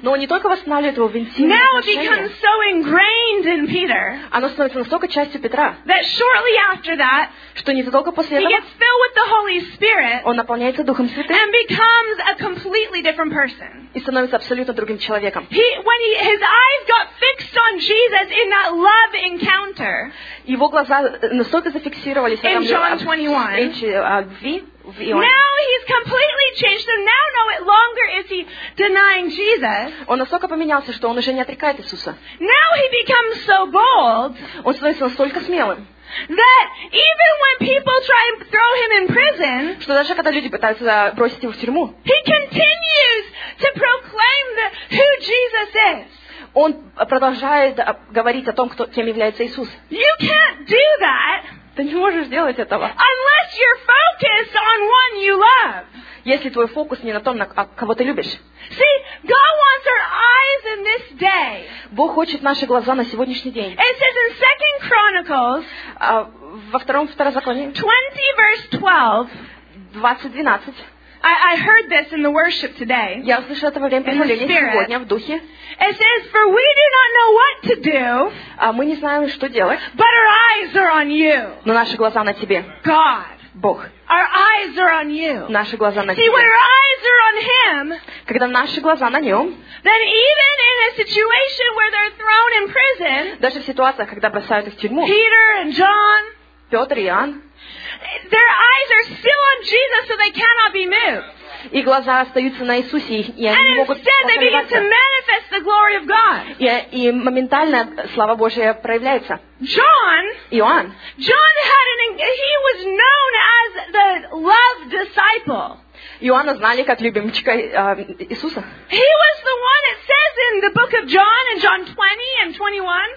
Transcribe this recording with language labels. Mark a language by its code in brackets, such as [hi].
[ru] Но он не только восстанавливает его в интимные [en] now [ru] отношения. [en] Now it becomes so ingrained in Peter. [ru] Оно становится настолько частью Петра. [en] That shortly after that. [ru] Что незадолго после [en] he [ru] этого. [en] He gets filled with the Holy Spirit. [ru] Он наполняется Духом Святым. [en] And becomes a completely different person. [ru] И становится абсолютно другим человеком. [en] His eyes got fixed on Jesus in that love encounter. [ru] Его глаза настолько зафиксировались. [en] In John 21. Now he's completely changed. So now no longer is he denying Jesus. [ru] Он настолько поменялся, что он уже не отрекает Иисуса. [en] Now he becomes so bold. [ru] Он становится настолько смелым. [en] That even when people try and throw him in prison, [ru] что даже когда люди пытаются бросить его в тюрьму, [en] he continues to proclaim who Jesus is. [ru] Он продолжает говорить о том, кем является Иисус. [en] You can't do that. [ru] Ты не можешь сделать этого. [en] Unless you're focused on one you love. [ru] Если твой фокус не на том, кого ты любишь. [en] See, God wants our eyes in this day. [ru] Бог хочет наши глаза на сегодняшний день. [en] It says in 2 Chronicles, [ru] во втором второзаконии, [en] 20 verse 12. I heard this in the worship today. [ru] Я услышала это во время прославления сегодня в духе. [en] It says, "For we do not know what to do." [ru] А мы не знаем, что делать. [en] But our eyes are on you. [ru] Но наши глаза на тебе. [en] God. [ru] Бог. [en] Our eyes are on you. [ru] Наши глаза на тебе. [en] See, when our eyes are on Him. [ru] Когда наши глаза на Нем. [en] Then even in a situation where they're thrown in prison. [ru] Даже в ситуациях, когда бросают их в тюрьму. [en] Peter and John. [ru] Петр и Иоанн. [en] Their eyes are still on Jesus, so they cannot be moved. [ru] И глаза остаются на Иисусе, и они [en] and [ru] не могут [en] instead, they begin to manifest the glory of God. [ru] И моментально слава Божия проявляется. [en] John. [ru] Иоанн. [en] John had he was known as the loved disciple. [ru] Иоанна знали как любимчика Иисуса. [en] He was the one it says in the book of John in John 20 and 21.